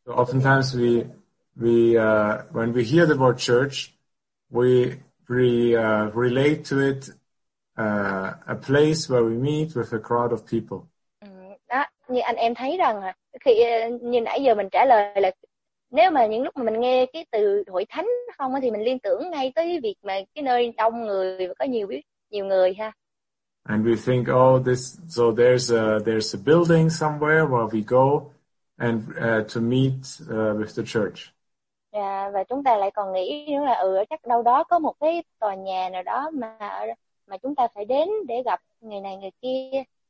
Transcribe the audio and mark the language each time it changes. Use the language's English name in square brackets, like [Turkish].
[English] So oftentimes we when we hear the word church, we relate to it a place where we meet with a crowd of people. [Vietnamese] Đó, như anh em thấy rằng khi như nãy giờ mình trả lời là nếu mà những lúc mà mình nghe cái từ hội thánh không thì mình liên tưởng ngay tới việc mà cái nơi đông người và có nhiều người ha. [English] And we think, oh, this, so there's a building somewhere where we go and to meet with the church. [Vietnamese] Yeah, và chúng ta lại còn nghĩ nữa là ở chắc đâu đó có một cái tòa nhà nào đó mà chúng ta phải đến để gặp người này người kia.